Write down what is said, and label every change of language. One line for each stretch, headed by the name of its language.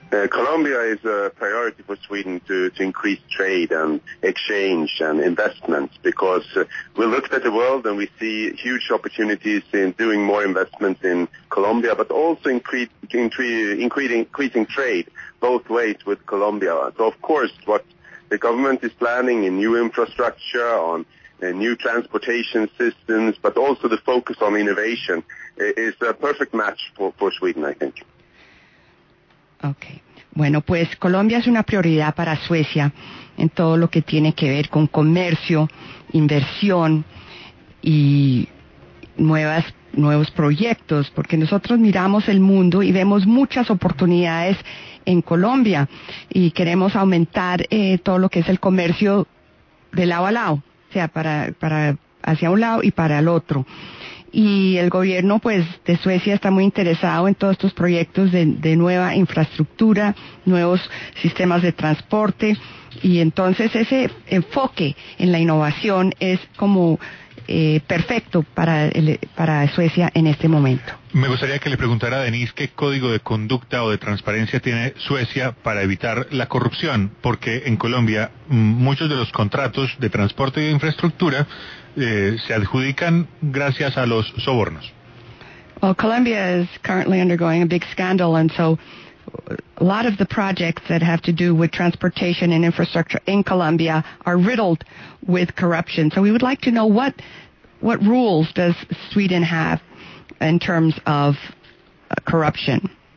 English: Colombia is a priority for Sweden to increase trade and exchange and investments, because we looked at the world and we see huge opportunities in doing more investments in Colombia, but also increasing trade both ways with Colombia. So, of course, what the government is planning in new infrastructure, on new transportation systems, but also the focus on innovation, is a perfect match for Sweden, I think. Okay.
Spanish: Bueno, pues Colombia es una prioridad para Suecia en todo lo que tiene que ver con comercio, inversión y nuevos proyectos, porque nosotros miramos el mundo y vemos muchas oportunidades en Colombia y queremos aumentar todo lo que es el comercio de lado a lado, o sea, para hacia un lado y para el otro. Y el gobierno, pues, de Suecia está muy interesado en todos estos proyectos de nueva infraestructura, nuevos sistemas de transporte, y entonces ese enfoque en la innovación es como perfecto para Suecia en este momento. Me gustaría que le preguntara a Denis qué código de conducta o de transparencia tiene Suecia para evitar la corrupción, porque en Colombia muchos de los contratos de transporte y de infraestructura se adjudican gracias a los sobornos.
English: Well, Colombia is currently undergoing a big scandal, and so a lot of the projects that have to do with transportation and infrastructure in Colombia are riddled with corruption. So we would like to know what rules does Sweden have in terms of corruption?